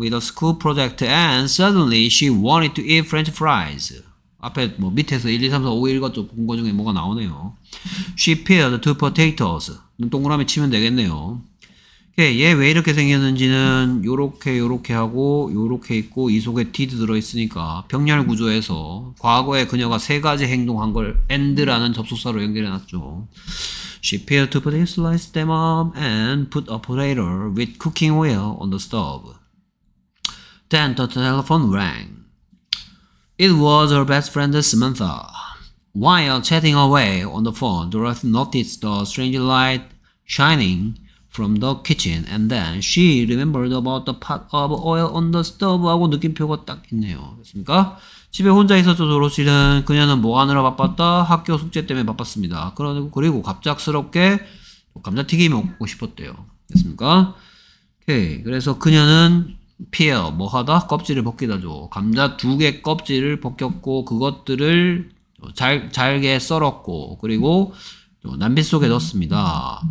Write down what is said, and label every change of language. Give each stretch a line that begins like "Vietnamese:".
English: With a school project and suddenly she wanted to eat French fries.
Korean: 앞에 뭐 밑에서 1, 2, 3, 4, 5, 1과 좀 본 거 중에 뭐가 나오네요.
English: She peeled two potatoes.
Korean: 동그라미 치면 되겠네요. 얘 왜 이렇게 생겼는지는 요렇게 요렇게 하고 요렇게 있고 이 속에 did 들어있으니까 병렬 구조에서 과거에 그녀가 세 가지 행동한 걸 and라는 접속사로 연결해놨죠.
English: She peeled two potatoes, sliced them up and put a potato with cooking oil on the stove. Then the telephone rang. It was her best friend Samantha. While chatting away on the phone, Dorothy noticed the strange light shining from the kitchen and then she remembered about the pot of oil on the stove
Korean: 하고 느낌표가 딱 있네요. 됐습니까? 집에 혼자 있었죠. 도로시는 그녀는 뭐 하느라 바빴다? 학교 숙제 때문에 바빴습니다. 그리고 갑작스럽게 감자튀김 먹고 싶었대요. 됐습니까? 오케이. 그래서 그녀는 peel 뭐 하다? 껍질을 벗기다죠. 감자 두 개 껍질을 벗겼고 그것들을 잘게 썰었고 그리고 냄비 속에 넣습니다.